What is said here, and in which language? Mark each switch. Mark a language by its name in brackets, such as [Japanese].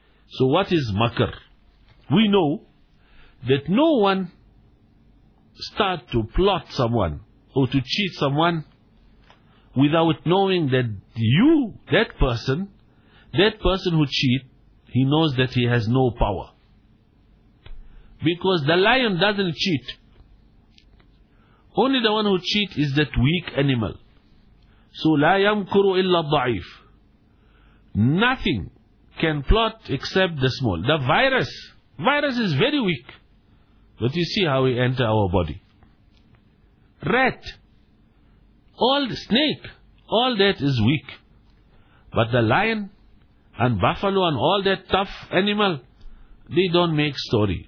[English] So what is makar? We know that no one start to plot someone or to cheat someone without knowing that you, that person who cheat, he knows that he has no power. Because the lion doesn't cheat. Only the one who cheat is that weak animal. [Arabic] So لا يمكر إلا الضعيف. [English] Nothing can plot except the small. The virus. Virus is very weak. But you see how we enter our body. Rat. Old snake. All that is weak. But the lion and buffalo and all that tough animal, they don't make story.